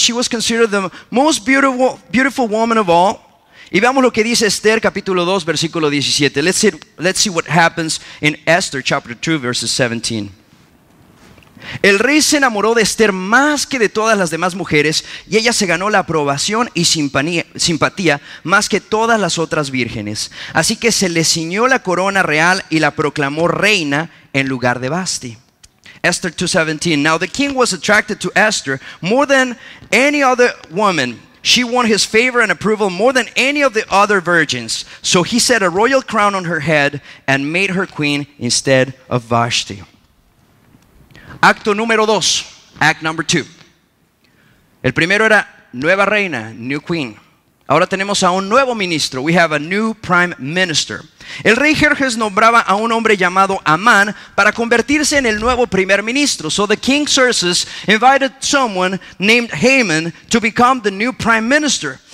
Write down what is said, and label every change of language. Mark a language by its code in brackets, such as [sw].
[en] She was considered the most beautiful woman of all. [es] Y veamos lo que dice Esther, capítulo 2, versículo 17. [en] Let's see what happens in Esther, chapter 2, verses 17. [es] El rey se enamoró de Esther más que de todas las demás mujeres, y ella se ganó la aprobación y simpatía más que todas las otras vírgenes. Así que se le ciñó la corona real y la proclamó reina en lugar de Vashti. Esther 2:17. [en] Now the king was attracted to Esther more than any other woman. She won his favor and approval more than any of the other virgins. So he set a royal crown on her head and made her queen instead of Vashti. [es] Acto número dos, [en] act number two. [es] El primero era nueva reina, [en] new queen. [es] Ahora tenemos a un nuevo ministro. [en] We have a new prime minister. [es] El rey Jerjes nombraba a un hombre llamado Amán para convertirse en el nuevo primer ministro. [en] So the king Xerxes invited someone named Haman to become the new prime minister.